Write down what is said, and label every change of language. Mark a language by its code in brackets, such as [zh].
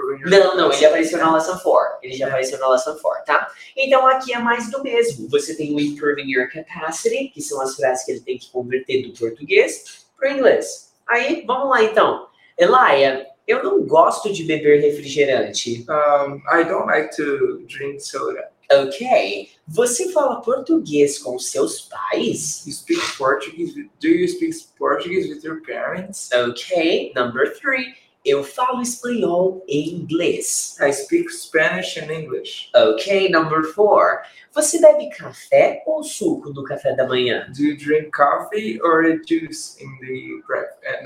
[pt] Não. Ele apareceu na lesson 4. Ele já apareceu na lesson 4, tá? Então, aqui é mais do mesmo. Você tem o improving your capacity, que são as frases que ele tem que converter do português para o inglês. Aí, vamos lá, então. Elaia, eu não gosto de beber refrigerante. [en] I don't like to drink soda. Ok. [pt] Você fala português com seus pais? [en] You speak Portuguese. Do you speak Portuguese with your parents? Ok. Number three. [pt] Eu falo espanhol e inglês. [en] I speak Spanish and English. Ok. Number four. [pt] Você bebe café ou suco no café da manhã? [en] Do you drink coffee or a juice in the breakfast?